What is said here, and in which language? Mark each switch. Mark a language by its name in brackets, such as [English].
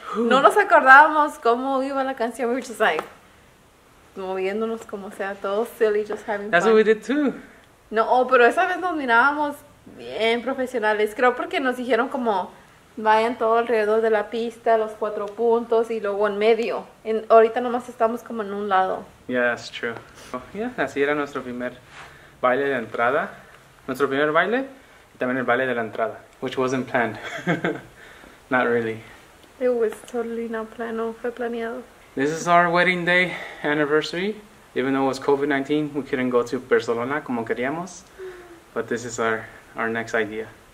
[Spanish] No nos acordábamos cómo iba la canción. [English] We were just like [Spanish] moviéndonos como sea, todos [English] silly, just having That's That's what we did too. [Spanish] No, pero esa vez nos mirábamos bien profesionales. Creo porque nos dijeron como vayan todo alrededor de la pista, los cuatro puntos y luego en medio. Ahorita nomás estamos como en un lado. [English] Yeah, that's true. Oh, yeah, [Spanish] así era nuestro primer baile de entrada. Nuestro primer baile y también el baile de la entrada. [English] Which wasn't planned. Not really. It was totally not planned. [Spanish] No fue planeado. [English] This is our wedding day anniversary. Even though it was COVID-19, we couldn't go to Barcelona [Spanish] como queríamos, [English] but this is our next idea.